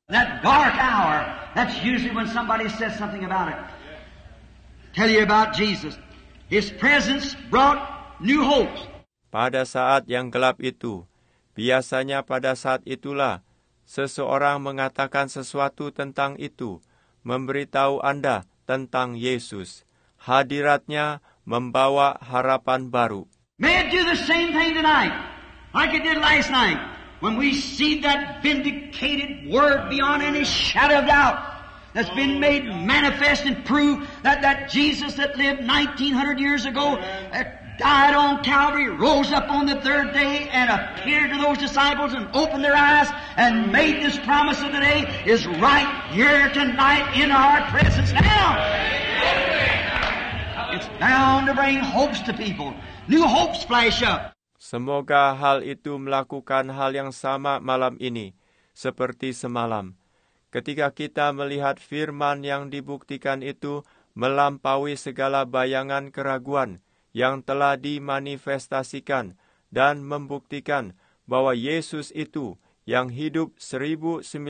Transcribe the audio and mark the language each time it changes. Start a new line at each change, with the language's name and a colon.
English: That dark hour, that's usually when somebody says something about it. Tell you about Jesus. His presence brought new hopes.
Indonesian: Pada saat yang gelap itu, biasanya pada saat itulah, seseorang mengatakan sesuatu tentang itu, memberitahu Anda tentang Yesus. Hadiratnya membawa harapan baru.
English: May it do the same thing tonight, like it did last night. When we see that vindicated word beyond any shadow of doubt that's been made manifest and proved that Jesus that lived 1900 years ago, that died on Calvary, rose up on the third day and appeared to those disciples and opened their eyes and made this promise of the day is right here tonight in our presence now. It's bound to bring hopes to people. New hopes flash up.
Indonesian: Semoga hal itu melakukan hal yang sama malam ini, seperti semalam. Ketika kita melihat firman yang dibuktikan itu melampaui segala bayangan keraguan yang telah dimanifestasikan dan membuktikan bahwa Yesus itu yang hidup 1900